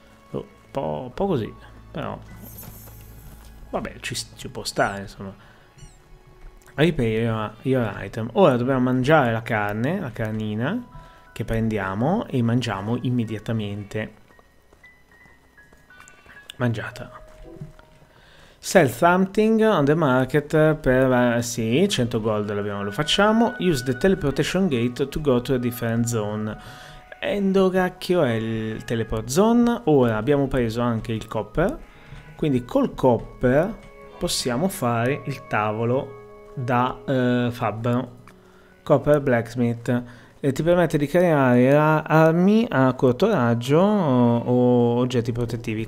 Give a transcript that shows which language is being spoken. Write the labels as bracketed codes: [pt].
[it] Un po' così, però. Vabbè, ci può stare, insomma. [en] Repair your item. [it] Ora dobbiamo mangiare la carne, la carnina che prendiamo e mangiamo immediatamente. Mangiata. [en] Sell something on the market per. [it] Sì, 100 gold l'abbiamo, lo facciamo. [en] Use the teleportation gate to go to a different zone. [it] Endogacchio è il teleport zone. Ora abbiamo preso anche il copper. Quindi col copper possiamo fare il tavolo da fabbro. Copper blacksmith ti permette di creare armi a corto raggio o oggetti protettivi.